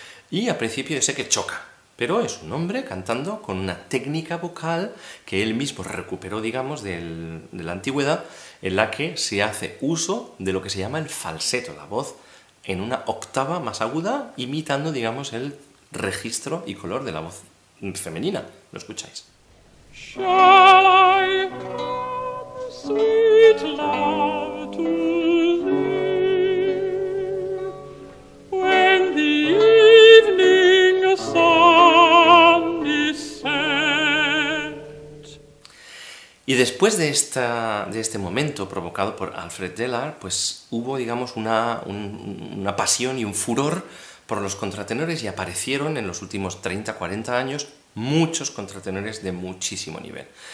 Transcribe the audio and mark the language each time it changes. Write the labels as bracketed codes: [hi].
[es] y al principio yo sé que choca, pero es un hombre cantando con una técnica vocal que él mismo recuperó, digamos, de la antigüedad, en la que se hace uso de lo que se llama el falseto, la voz en una octava más aguda, imitando, digamos, el registro y color de la voz femenina. ¿Lo escucháis? [en] Shall I come sweet love to thee when the evening sun is set? [es] Y después de este momento provocado por Alfred Deller, pues hubo, digamos, una pasión y un furor por los contratenores y aparecieron en los últimos 30-40 años muchos contratenores de muchísimo nivel.